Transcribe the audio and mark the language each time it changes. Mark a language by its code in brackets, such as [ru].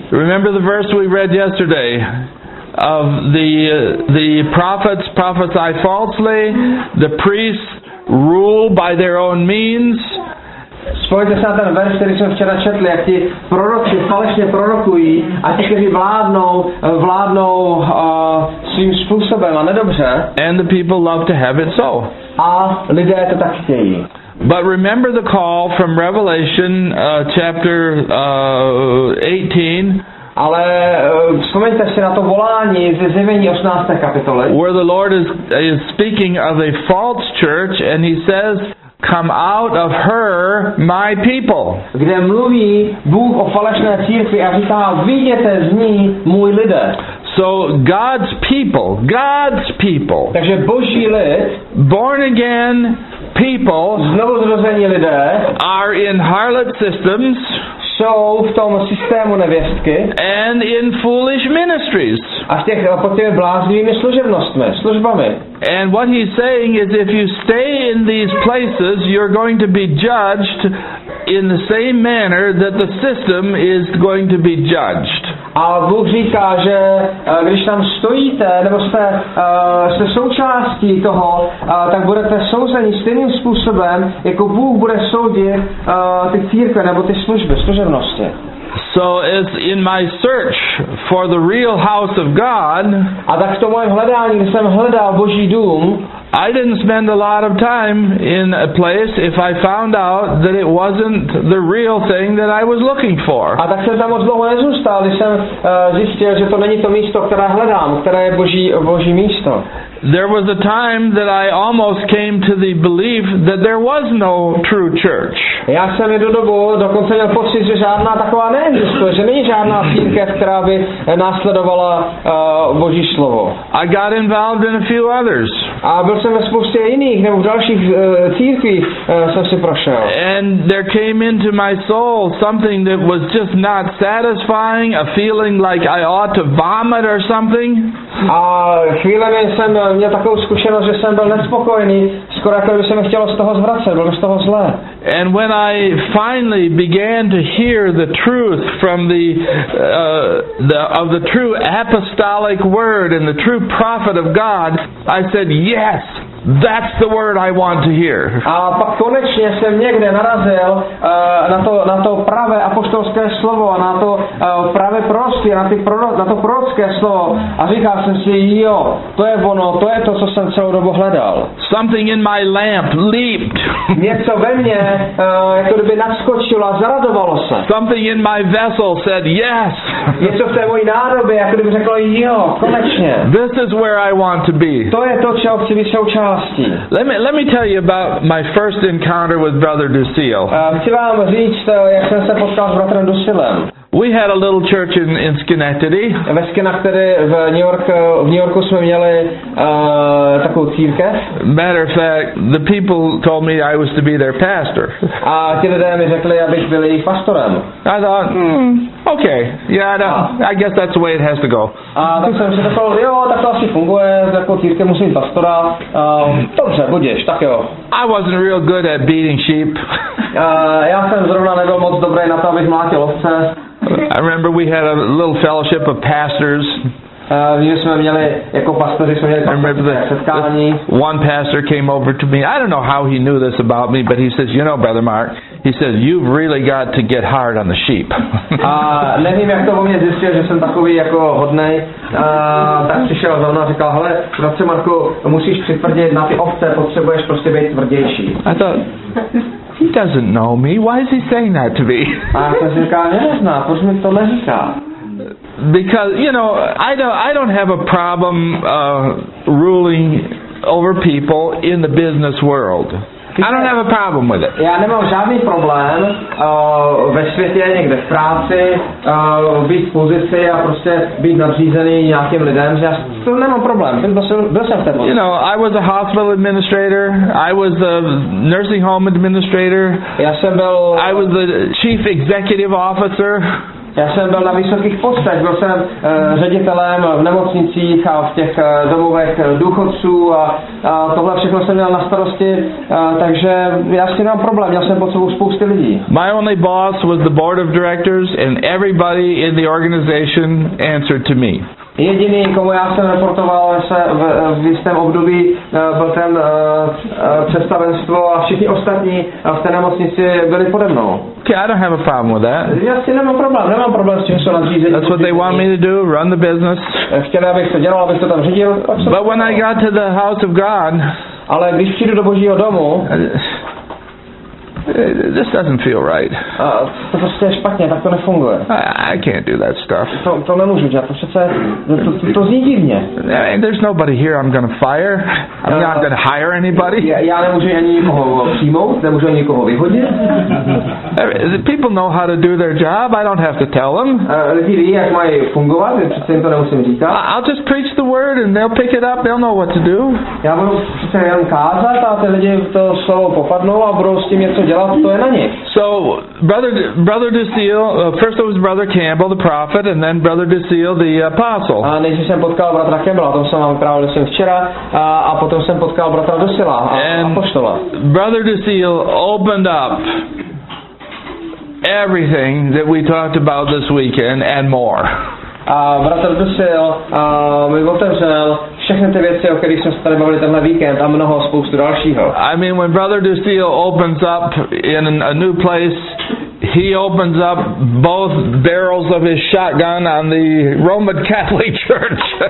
[en] Remember the verse we read yesterday of the prophets prophesy falsely, the priests rule by their own means. [cs] Spojte se na ten verš, který jsme včera četli, jak ti proroci falešně prorokují a ti, kteří vládnou svým způsobem a nedobře. [en] And the people love to have it so. [cs] A lidé to tak chtějí. [en] But remember the call from Revelation chapter 18. [cs] Ale vzpomeňte si na to volání ze Zjevení 18. kapitole. [en] Where the Lord is speaking of a false church and he says, come out of her, my people. [cs] Kde mluví Bůh o falešné církvi a říká, vyjděte z ní, můj lidé. [en] So God's people. [cs] Takže Boží lid, [en] born again people, [cs] znovu zrození lidé, [en] are in harlot systems, [cs] jsou v tom systému nevěstky, [en] and in foolish ministries, [cs] a v těch potřebujeme bláznivými služebnostmi, službami. [en] And what he's saying is, if you stay in these places, you're going to be judged in the same manner that the system is going to be judged. [cs] A Bůh říká, že když tam stojíte, nebo jste se součástí toho, tak budete souzeni stejným způsobem, jako Bůh bude soudit ty církve nebo ty služby, služebnosti. [en] So as in my search for the real house of God, [cs] a tak v tom mojem hledání, když jsem hledal Boží dům, [en] I didn't spend a lot of time in a place if I found out that it wasn't the real thing that I was looking for. [cs] A tak jsem tam moc dlouho nezůstal, když jsem zjistil, že to není to místo, které hledám, které je Boží místo. [en] There was a time that I almost came to the belief that there was no true church. [cs] Já jsem jednu dobu dokonce měl pocit, že žádná taková neexistuje, že není žádná církev, která by následovala Boží slovo. [en] I got involved in a few others. [cs] A byl jsem ve spoustě jiných nebo v dalších církvích jsem si prošel. [en] And there came into my soul something that was just not satisfying, a feeling like I ought to vomit or something. [cs] A chvílemi jsem měl takovou zkušenost, že jsem byl nespokojený, skoro jako by se mi chtělo z toho zvracet, bylo z toho zlé. [en] And when I finally began to hear the truth from the true apostolic word and the true prophet of God, I said, yes, that's the word I want to hear. [cs] A pak konečně jsem někde narazil na to pravé apoštolské slovo a na to pravé proroctví, na to prorocké slovo a říkal jsem si, jo, to je ono, to je to, co jsem celou dobu hledal. [en] Something in my lamp leaped. [cs] Něco ve mně jako kdyby naskočilo a zaradovalo se. [en] Something in my vessel said yes. [cs] Něco v té mojí nádobě jako kdyby řeklo, jo, konečně. [en] This is where I want to be. [cs] To je to, čeho chci být součástí. [en] Let me tell you about my first encounter with Brother Dusil. [cs] Chci vám říct, jak jsem se potkal s bratrem Dusilem. [en] We had a little church in Schenectady. [cs] Ve Schenectady v New Yorku jsme měli takovou církev. [en] Matter of fact, the people told me I was to be their pastor. [cs] A ti lidé mi řekli, abych byl jejich pastorem. [en] I thought, okay, yeah, no, I guess that's the way it has to go. [cs] A tak jsem si řekl, jo, tak to asi funguje, jako církev musím pastora. Dobře, budeš, tak jo. [en] I wasn't real good at beating sheep. [cs] Já jsem zrovna nebyl moc dobrý na to, abych mlátil ovce. [en] I remember we had a little fellowship of pastors. One pastor came over to me. I don't know how he knew this about me, but he says, you know, Brother Mark, he says, you've really got to get hard on the sheep. [cs] Nevím, jak to o mě zjistil, že jsem takový jako hodnej. Tak přišel za mnou a říkal, hele, bratře Marku, musíš přitvrdit na ty ovce, potřebuješ prostě být tvrdější. [en] I thought, he doesn't know me. Why is he saying that to me? [cs] A to říkal, nezná, proč mi to neříká? [en] Because, you know, I don't have a problem ruling over people in the business world. I don't have a problem with it. [cs] Já nemám žádný problém ve světě, někde v práci, být v pozici a prostě být nadřízený nějakým lidem. Že já to nemám problém, byl jsem v té pozici. [en] You know, I was a hospital administrator, I was a nursing home administrator, [cs] já jsem byl, [en] I was the chief executive officer. [cs] Já jsem byl na vysokých postech, byl jsem ředitelem v nemocnicích a v těch domovech důchodců a tohle všechno jsem měl na starosti, takže já s tím nemám problém, měl jsem pod sebou spousty lidí. [en] My only boss was the board of directors and everybody in the organization answered to me. [cs] Jediný, komu já jsem reportoval v jistém období, byl ten představenstvo a všichni ostatní v té nemocnici byli pode mnou. [en] Okay, I don't have a problem with that. [cs] Já si nemám problém s tím, co nadřízení. [en] That's what they want me to do, run the business. [cs] Chtěli, abych to dělal, abych to tam řídil. [en] But when I got to the house of God, [cs] ale když přijdu do Božího domu, [en] this doesn't feel right. [cs] To prostě je špatně, tak to nefunguje. [en] I can't do that stuff. [cs] To nemůžu dělat, to přece, to zní divně. [en] There's nobody here I'm gonna fire. I'm not gonna hire anybody. [cs] Já nemůžu ani nikoho přijmout, nemůžu ani nikoho vyhodit. [en] People know how to do their job, I don't have to tell them. [cs] Lidi ví, jak mají fungovat, přece jim to nemusím říkat. [en] I'll just preach the word and they'll pick it up, they'll know what to do. [cs] Já budu přece jen kázat a ty lidi to slovo popadnou a budou s tím něco dělat, to [en] so brother DeSeele, first it was brother Campbell the prophet and then brother DeSeele the apostle. [cs] A než jsem potkal bratra Campbella, to jsem vám právě jsem včera, a potom jsem potkal bratra DeSeela, apoštola. [en] Brother DeSeele opened up everything that we talked about this weekend and more. [cs] A bratr DeSeele mi otevřel všechny ty věci, o kterých jsme se tady bavili tenhle víkend a mnoho spoustu dalšího. [en] I mean, when brother DeSeele opens up in a new place, he opens up both barrels of his shotgun on the Roman Catholic Church.